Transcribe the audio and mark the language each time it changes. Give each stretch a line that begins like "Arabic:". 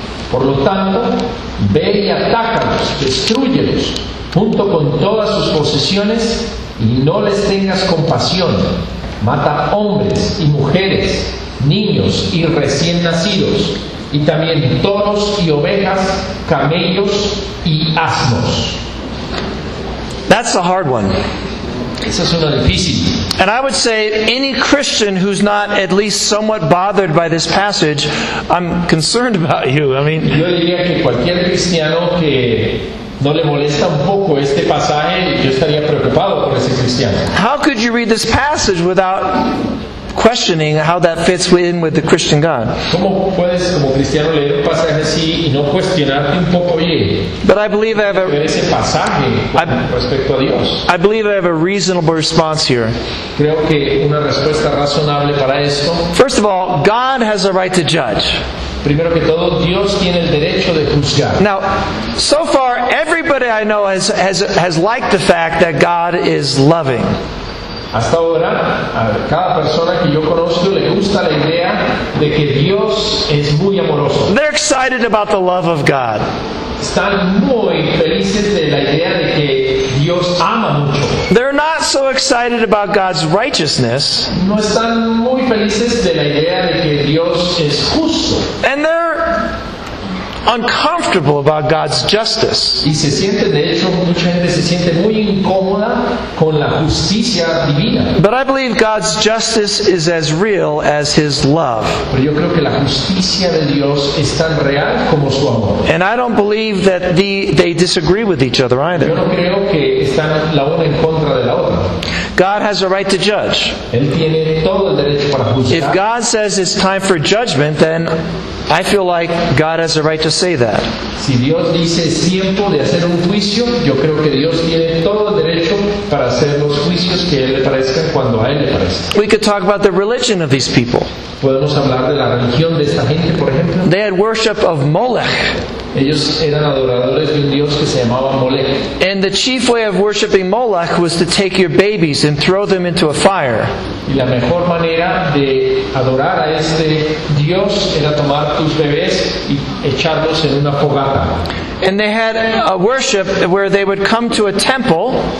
Spanish: Por lo tanto, ve y atácalos, destrúyelos, junto con todas sus posesiones, y no les tengas compasión. Mata hombres y mujeres, niños y recién nacidos, y también toros y ovejas, camellos y asnos.
English: That's a hard one.
Spanish: Esa es una difícil.
English: And I would say any Christian who's not at least somewhat bothered by this passage, I'm concerned about you. I mean,
Spanish: yo diría que cualquier cristiano que no le molesta un poco este pasaje, yo estaría preocupado por ese cristiano.
English: How could you read this passage without questioning how that fits in with the Christian God?
Spanish: ¿Cómo puedes como cristiano leer un pasaje así y no cuestionarte un poco? Oye,
English: but I believe I have a,
Spanish: ese pasaje respecto a Dios.
English: I believe I have a reasonable response here.
Spanish: Creo que una respuesta razonable para esto.
English: First of all, God has a right to judge.
Spanish: Primero que todo, Dios tiene el derecho de juzgar.
English: Now, so far, everybody I know has liked the fact that God is loving.
Spanish: Hasta ahora, a cada persona que yo conozco le gusta la idea de que Dios es muy amoroso.
English: They're excited about the love of God.
Spanish: Están muy felices de la idea de que Dios ama mucho.
English: They're not so excited about God's righteousness.
Spanish: No están muy felices de la idea de que Dios es justo.
English: And they're uncomfortable about God's justice.
Spanish: Y se siente, de hecho, mucha gente se siente muy incómoda con la justicia divina.
English: But I believe God's justice is as real as His love.
Spanish: Pero yo creo que la justicia de Dios es tan real como su amor.
English: And I don't believe that they disagree with each other either.
Spanish: Yo no creo que están la una en contra de la otra.
English: God has a right to judge.
Spanish: Él tiene todo el derecho para juzgar.
English: If God says it's time for judgment, then I feel like God has a right to say that.
Spanish: Si Dios dice es tiempo de hacer un juicio, yo creo que Dios tiene todo el derecho para hacer los juicios que a él le parezcan cuando a él le parezca.
English: We could talk about the religion of these people.
Spanish: Podemos hablar de la religión de esta gente, por ejemplo.
English: They had worship of Molech.
Spanish: Ellos eran adoradores de un dios que se llamaba Molech.
English: And the chief way of worshiping Molech was to take your babies and throw them into a fire.
Spanish: Y la mejor manera de adorar a este dios era tomar tus bebés y echarlos en una fogata.
English: And they had a worship where they would come to a temple.